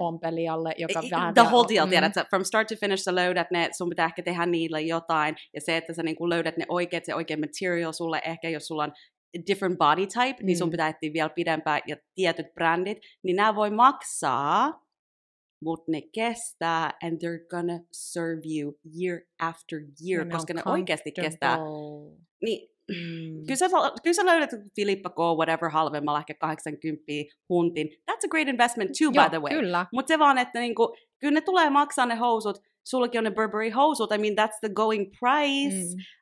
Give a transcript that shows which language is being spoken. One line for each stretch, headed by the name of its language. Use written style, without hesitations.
Finnish: Ompelijalle, joka vähän...
English: The whole deal,
Finnish: tiedätkö,
English: from start to finish
Finnish: sä löydät ne, sun pitää ehkä tehdä niille jotain, ja se, että sä niinku löydät ne oikeat, se oikea
English: material
Finnish: sulle, ehkä jos sulla on
English: different body type,
Finnish: niin sun pitää etsiä vielä pidempään, ja tietyt brändit, niin nämä voi maksaa... Mut ne kestää,
English: and they're gonna serve you year after year,
Finnish: no, koska no, ne oikeasti kestää. Niin, kyllä sä löydät Filippa K,
English: whatever,
Finnish: halvemmalla, ehkä 80 huntin.
English: That's a great investment too,
Finnish: joo,
English: by the way.
Finnish: Kyllä. Mut se vaan, että niinku, kyllä ne tulee maksaa ne housut, sullakin on ne Burberry-housut,
English: I mean, that's the going price.